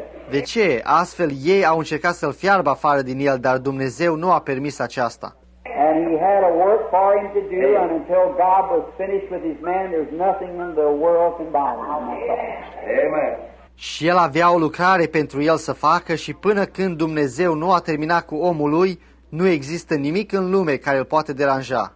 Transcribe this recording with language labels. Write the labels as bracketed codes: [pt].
[ro] De ce? Astfel ei au încercat să-l fiarbă afară din el, dar Dumnezeu nu a permis aceasta. [en] And he had a work for him to do, and until God was finished with his man, there's nothing in the world can buy him. Amen. [ro] Și el avea o lucrare pentru el să facă și până când Dumnezeu nu a terminat cu omul lui, nu există nimic în lume care îl poate deranja.